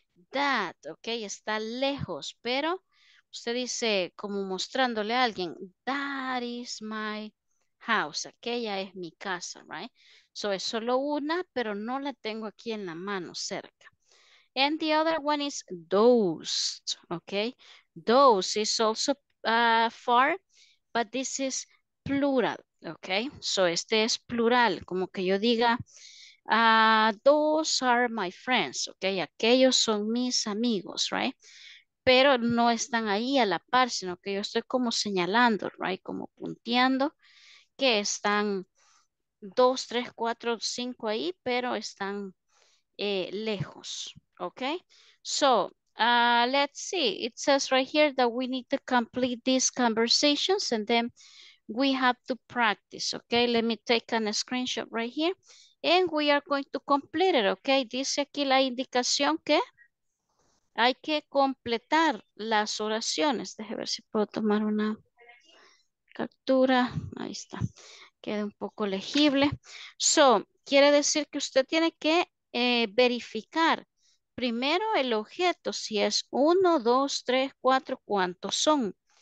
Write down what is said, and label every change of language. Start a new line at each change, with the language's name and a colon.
Spanish: That, ok, está lejos, pero usted dice, como mostrándole a alguien,
English: that is my house,
Spanish: aquella es mi casa, right? So, es solo una, pero no la tengo aquí en la mano, cerca.
English: And the other one is those, okay? Those is also far, but this is plural, okay?
Spanish: So, este es plural, como que yo diga,
English: those are my friends,
Spanish: okay? Aquellos son mis amigos, right? Pero no están ahí a la par, sino que yo estoy como señalando, right? Como punteando. Que están 2, 3, 4, 5 ahí, pero están lejos, ¿ok?
English: So, let's see, it says right here that we need to complete these conversations and then we have to practice, ¿ok? Let me take a screenshot right here and we are going to complete it, ¿ok?
Spanish: Dice aquí la indicación que hay que completar las oraciones. Deje ver si puedo tomar una captura, ahí está, queda un poco legible. So, quiere decir que usted tiene que verificar primero el objeto, si es uno, dos, tres, cuatro, cuántos son.